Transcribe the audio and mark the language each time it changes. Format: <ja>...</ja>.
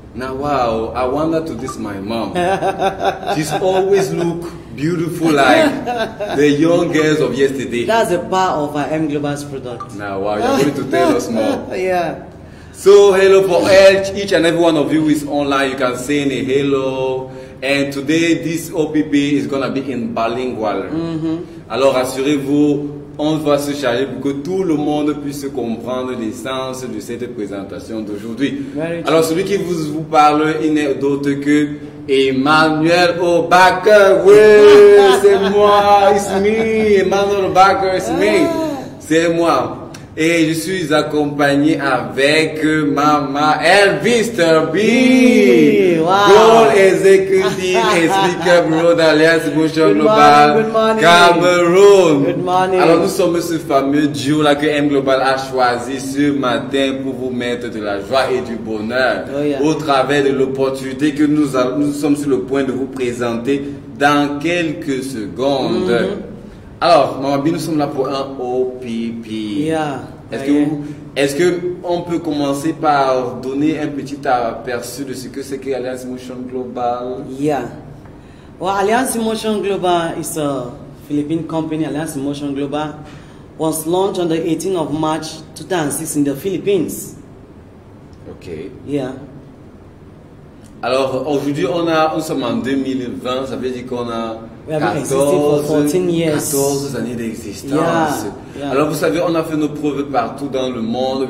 <en>Now, wow, I wonder to this my mom. She's always look beautiful like the young girls of yesterday. That's a part of our M Global's product. Now, wow, you're going to tell us more. Yeah. So, hello for each and every one of you who is online. You can say a hello. And today, this OPP is going to be in bilingual. Mm-hmm.</en> <fr>Alors, rassurez-vous, on va se charger pour que tout le monde puisse comprendre le sens de cette présentation d'aujourd'hui. Alors, celui qui vous parle, il n'est d'autre que Emmanuel Obaka. Oui, c'est moi,</fr> <en>it's me.</en> <fr>Emmanuel Obaka,</fr> <en>it's me.</en> <fr>C'est moi. Et je suis accompagné avec Maman Elvis Turby.</fr> <en>Wow.</en> <fr>Goal Executive et Speaker Bureau d'Alliance Motion Global Cameroun.</fr> <en>Good morning.</en> <fr>Alors nous sommes ce fameux duo là que M Global a choisi ce matin pour vous mettre de la joie et du bonheur.</fr> <en>Oh, yeah.</en> <fr>Au travers de l'opportunité que nous sommes sur le point de vous présenter dans quelques secondes. Mm-hmm. Alors, Maman B, nous sommes là pour un OPP.</fr> <en>Yeah.</en> <fr>Est-ce qu'on peut commencer par donner un petit aperçu de ce que c'est que Alliance Emotion Global?</fr> <en>Yeah. Well, Alliance Emotion Global is a Philippine company. Alliance Emotion Global was launched on the 18th of March 2006 in the Philippines. Okay. Yeah.</en> <fr>Alors, aujourd'hui, nous sommes en 2020, ça veut dire qu'on a 14 années d'existence.</fr> <en>Yeah, yeah.</en> <fr>Alors, vous savez, on a fait nos preuves partout dans le monde.</fr>